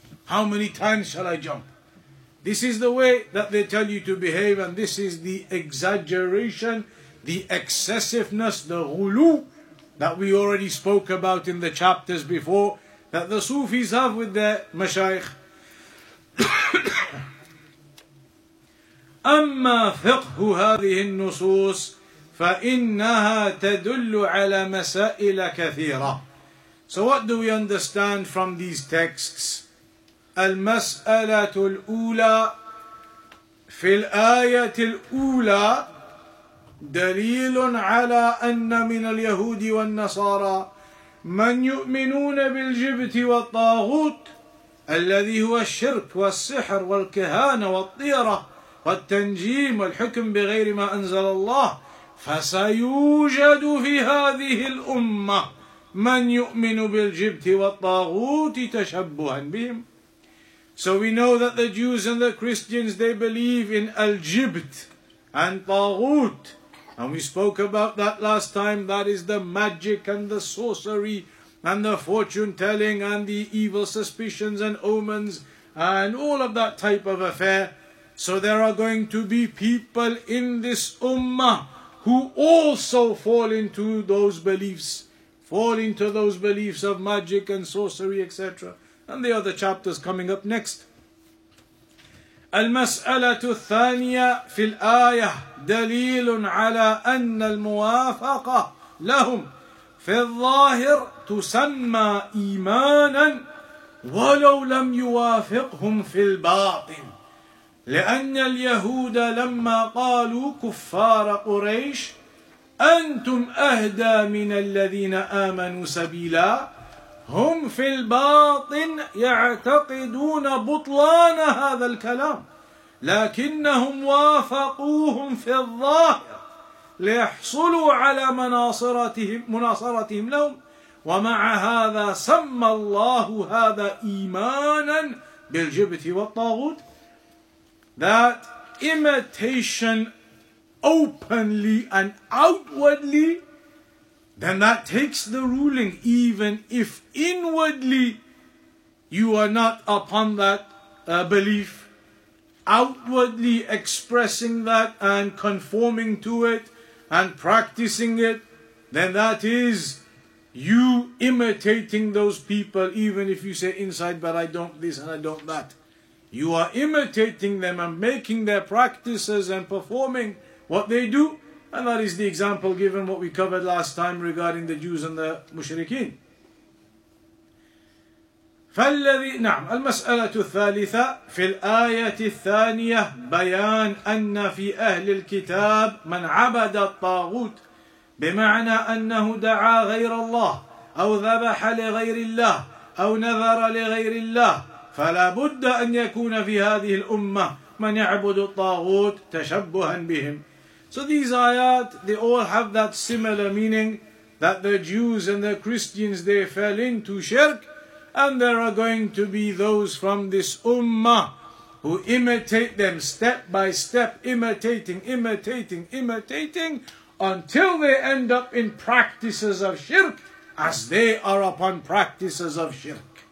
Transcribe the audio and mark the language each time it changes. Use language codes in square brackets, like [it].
[en] How many times shall I jump? This is the way that they tell you to behave, and this is the exaggeration, the excessiveness, the ghulu that we already spoke about in the chapters before, that the Sufis have with their mashaykh. [ar] أما فقه هذه النصوص فإنها تدل على مسائل كثيرة. [en] So what do we understand from these texts? [ar] المسألة الأولى في الآية الأولى دليل على أن من اليهود والنصارى من يؤمنون بالجبت والطاغوت الذي هو الشرك والسحر والكهانة والطيرة والتنجيم والحكم بغير ما أنزل الله فسيوجد في هذه الأمة من يؤمن بالجبت والطاغوت تشبها بهم. [en] So we know that the Jews and the Christians, they believe in al-jibt and طاغوت. And we spoke about that last time. That is the magic and the sorcery and the fortune telling and the evil suspicions and omens and all of that type of affair. So there are going to be people in this ummah who also fall into those beliefs, fall into those beliefs of magic and sorcery, etc. And the other chapters coming up next. [ar] المسألة الثانية في الآية دليل على أن الموافقة لهم في الظاهر تسمى إيمانا ولو لم يوافقهم في الباطن لأن اليهود لما قالوا كفار قريش أنتم أهدى من الذين آمنوا سبيلا هم في الباطن يعتقدون بطلان هذا الكلام لكنهم وافقوهم في الظاهر ليحصلوا على مناصرتهم لهم ومع هذا سمى الله هذا إيمانا بالجبت والطاغوت. [en] That imitation openly and outwardly, then that takes the ruling, even if inwardly you are not upon that belief. Outwardly expressing that and conforming to it and practicing it, then that is you imitating those people, even if you say inside, but I don't this and I don't that. You are imitating them and making their practices and performing what they do. And that is the example given what we covered last time regarding the Jews and the Mushrikeen. [ar] فالذي نعم المسألة الثالثة في الآية الثانية بيان أن في أهل الكتاب من عبد الطاغوت بمعنى أنه دعا غير الله أو ذبح لغير الله أو نذر لغير الله فلا بد أن يكون في هذه الأمة من يعبد الطاغوت تشبها بهم. [en] So these ayat, they all have that similar meaning that the Jews and the Christians, they fell into shirk. And there are going to be those from this ummah who imitate them step by step, imitating, until they end up in practices of shirk, as they are upon practices of shirk.